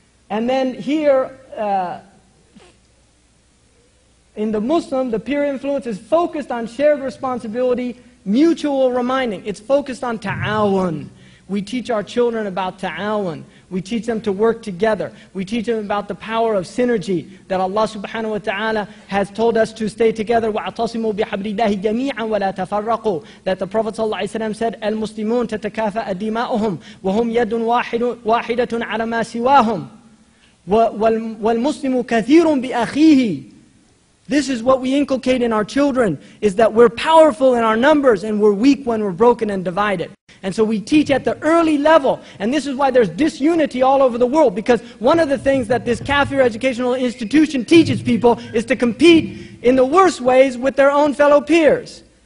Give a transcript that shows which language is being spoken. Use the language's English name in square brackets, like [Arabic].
[English] And then here, in the Muslim, the peer influence is focused on shared responsibility, mutual reminding. It's focused on ta'awun. We teach our children about ta'awun. We teach them to work together. We teach them about the power of synergy, that Allah subhanahu wa ta'ala has told us to stay together. [Arabic] وَعَتَصِمُوا بِحَبْلِ اللَّهِ جَمِيعًا وَلَا تَفَرَّقُوا. [English] That the Prophet sallallahu alayhi wa sallam said, [Arabic] الْمُسْلِمُونَ تَتَكَافَأَ دِمَاؤُهُمْ وَهُمْ يَدٌ وَاحِدَةٌ عَلَى مَا سِوَاهُمْ وَالْمُسْلِمُ كَثِيرٌ بِأَخِيهِ. [English] This is what we inculcate in our children, is that we're powerful in our numbers and we're weak when we're broken and divided. And so we teach at the early level. And this is why there's disunity all over the world, because one of the things that this kafir educational institution teaches people is to compete in the worst ways with their own fellow peers.